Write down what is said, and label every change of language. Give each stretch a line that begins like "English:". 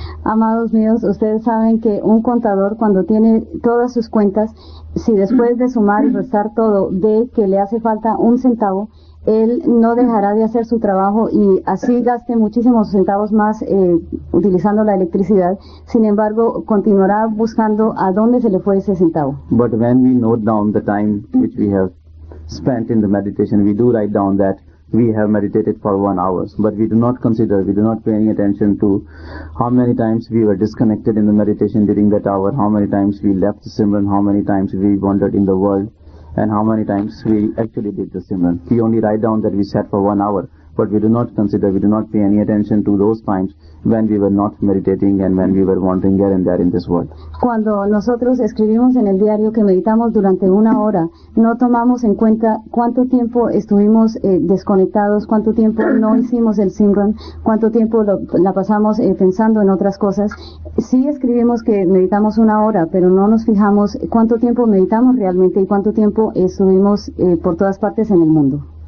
Spanish: Amados míos, ustedes saben que un contador cuando tiene todas sus cuentas, si después de sumar y restar todo ve que le hace falta un centavo, él no dejará de hacer su trabajo y así gaste muchísimos centavos más utilizando la electricidad. Sin embargo, continuará buscando a dónde se le fue ese centavo.
English: But when we note down the time which we have spent in the meditation, we do write down that we have meditated for 1 hour, but we do not pay any attention to how many times we were disconnected in the meditation during that hour, how many times we left the simran, how many times we wandered in the world, and how many times we actually did the simran. We only write down that we sat for 1 hour, but we do not pay any attention to those times when we were not meditating and when we were wandering here and there in this world.
Spanish: Cuando nosotros escribimos en el diario que meditamos durante una hora, no tomamos en cuenta cuánto tiempo estuvimos desconectados, cuánto tiempo no hicimos el simran, cuánto tiempo la pasamos pensando en otras cosas. Sí escribimos que meditamos una hora, pero no nos fijamos cuánto tiempo meditamos realmente y cuánto tiempo estuvimos por todas partes en el mundo.